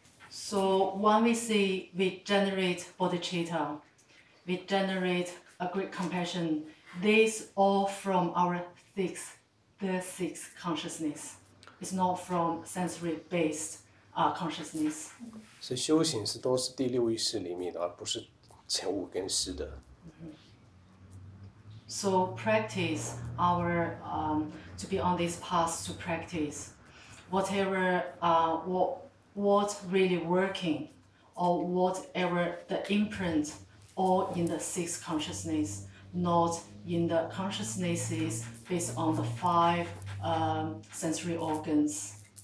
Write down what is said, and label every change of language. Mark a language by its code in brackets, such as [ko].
[en] So when we say we generate bodhicitta, we generate a great compassion, this all from our sixth consciousness. It's not from sensory based consciousness. [zh] 所以修行是都是第六意识里面的，而不是前五根识的。 [en] So practice our to be on this path to practice whatever what really working or whatever the imprint all in the sixth consciousness, not in the consciousnesses based on the five sensory organs.